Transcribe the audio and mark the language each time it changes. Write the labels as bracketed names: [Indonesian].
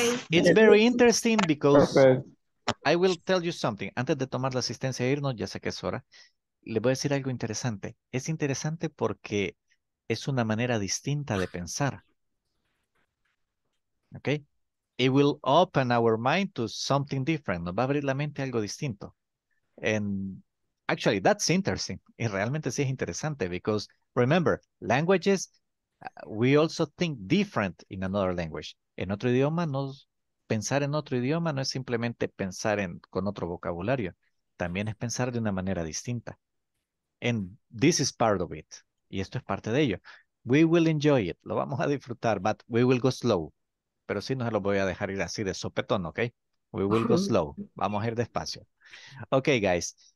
[English] It's very interesting because I will tell you something. [Spanish] Antes de tomar la asistencia e irnos, ya sé que es hora, le voy a decir algo interesante. Es interesante porque es una manera distinta de pensar. ¿Ok? [English] It will open our mind to something different. [Spanish] Nos va a abrir la mente a algo distinto. [English] And actually, that's interesting. [Spanish] Y realmente sí es interesante [English] because, remember, languages, we also think different in another language. [Spanish] En otro idioma, pensar en otro idioma no es simplemente pensar con otro vocabulario. También es pensar de una manera distinta. [English] And this is part of it. [Spanish] Y esto es parte de ello. [English] We will enjoy it. [Spanish] Lo vamos a disfrutar, [English] but we will go slow. [Spanish] Pero sí, no se lo voy a dejar ir así de sopetón, ¿ok? [English] We will go slow. [Spanish] Vamos a ir despacio. Okay, guys.